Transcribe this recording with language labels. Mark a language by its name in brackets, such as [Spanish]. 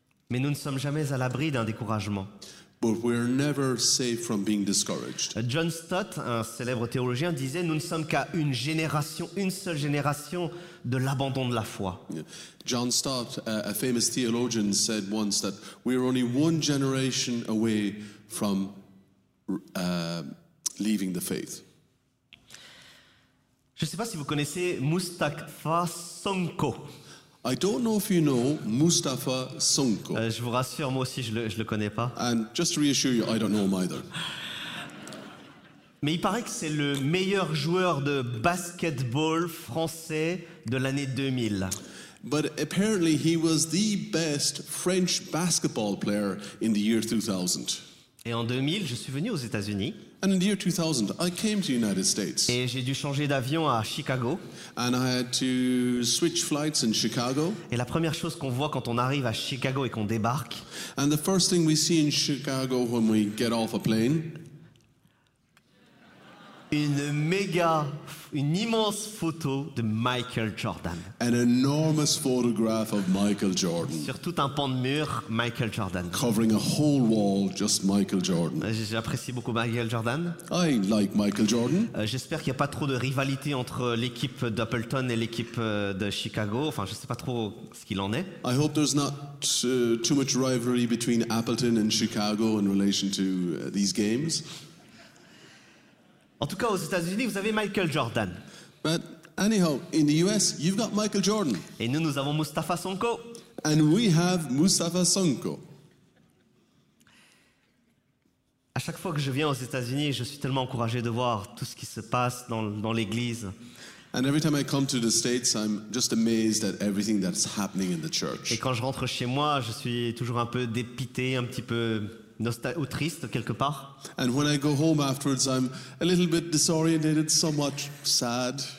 [French] Mais nous ne sommes jamais à l'abri d'un découragement. [English] But we're never safe from being discouraged. [French] John Stott, un célèbre théologien, disait nous ne sommes qu'à une génération, une seule génération de l'abandon de la foi. Yeah. [English] John Stott, a famous theologian, said once that we are only one generation away from leaving the faith. [French] Je ne sais pas si vous connaissez Mustafa Sonko. [English] I don't know if you know Mustafa Sonko. [French] Je vous rassure, moi aussi, je le connais pas. [English] And just to reassure you, I don't know him either. [French] Mais il paraît que c'est le meilleur joueur de basketball français de l'année 2000. [English] But apparently he was the best French basketball player in the year 2000. [French] Et en 2000, je suis venu aux États-Unis. [English] And in the year 2000, I came to the United States. [French] Et j'ai dû changer d'avion à Chicago. [English] And I had to switch flights in Chicago. [French] Et la première chose qu'on voit quand on arrive à Chicago et qu'on débarque. [English] And the first thing we see in Chicago when we get off a plane. [French] Une immense photo de Michael Jordan. [English] An enormous photograph of Michael Jordan. [French] Sur tout un pan de mur, Michael Jordan. [English] Covering a whole wall, just Michael Jordan. [French] J'apprécie beaucoup Michael Jordan. [English] I like Michael Jordan. [French] J'espère qu'il n'y a pas trop de rivalité entre l'équipe d'Appleton et l'équipe de Chicago. Enfin, je ne sais pas trop ce qu'il en est. [English] I hope there's not too much rivalry between Appleton and Chicago in relation to these games. [French] En tout cas, aux États-Unis, vous avez Michael Jordan. [English] But anyhow, in the US, you've got Michael Jordan. [French] Et nous avons Mustafa Sonko. [English] And we have Mustafa Sonko. [French] À chaque fois que je viens aux États-Unis, je suis tellement encouragé de voir tout ce qui se passe dans l'église. [English] And every time I come to the States, I'm just amazed at everything that's happening in the church. [French] Et quand je rentre chez moi, je suis toujours un peu dépité, un petit peu ou triste quelque part. [English] And when I go home afterwards, I'm a little bit disoriented, somewhat sad.